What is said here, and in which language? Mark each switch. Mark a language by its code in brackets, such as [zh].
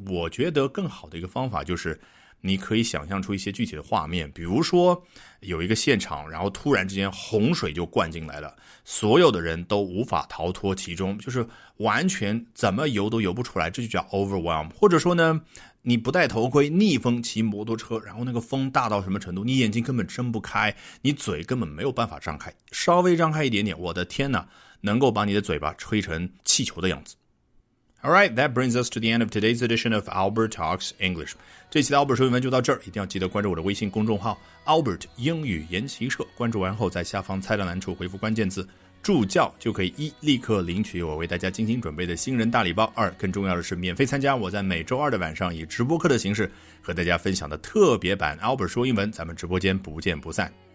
[zh] 我觉得更好的一个方法就是你可以想象出一些具体的画面，比如说有一个现场，然后突然之间洪水就灌进来了，所有的人都无法逃脱其中，就是完全怎么游都游不出来，这就叫 overwhelm。或者说呢，你不戴头盔逆风骑摩托车，然后那个风大到什么程度，你眼睛根本睁不开，你嘴根本没有办法张开，稍微张开一点点，我的天哪，能够把你的嘴巴吹成气球的样子。 [en] Alright, that brings us to the end of today's edition of Albert Talks English. [zh] 这期的 Albert 说英文就到这儿，一定要记得关注我的微信公众号 Albert 英语研习社，关注完后在下方菜单栏处回复关键字助教，就可以一立刻领取我为大家精心准备的新人大礼包，二更重要的是免费参加我在每周二的晚上以直播课的形式和大家分享的特别版 Albert 说英文，咱们直播间不见不散。